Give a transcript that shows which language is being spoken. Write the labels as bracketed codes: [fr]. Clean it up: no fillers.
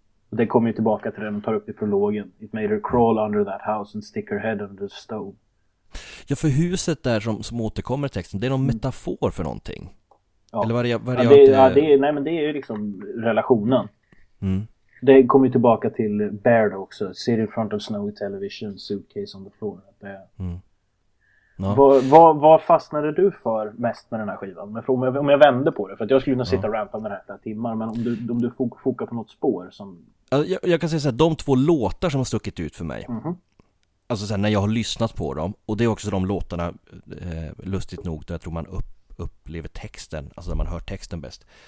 [sv] Och det kommer ju tillbaka till det de tar upp i prologen. [en] It made her crawl under that house and stick her head under the stone. [sv] Ja, för huset där som återkommer i texten, det är någon metafor för någonting. Ja. Eller nej, men det är ju liksom relationen. Mm. Det kommer ju tillbaka till Baird också. [en] Sit in front of snowy television, suitcase on the floor. [sv] Ja. Vad fastnade du för mest med den här skivan? Men om jag vände på det, för att jag skulle kunna sitta och rampa med det här timmar, men om du fokar på något spår som... Jag kan säga så här, de två låtar som har stuckit ut för mig, alltså så här, när jag har lyssnat på dem, och det är också de låtarna, lustigt nog, där jag tror man upplever texten, alltså där man hör texten bäst.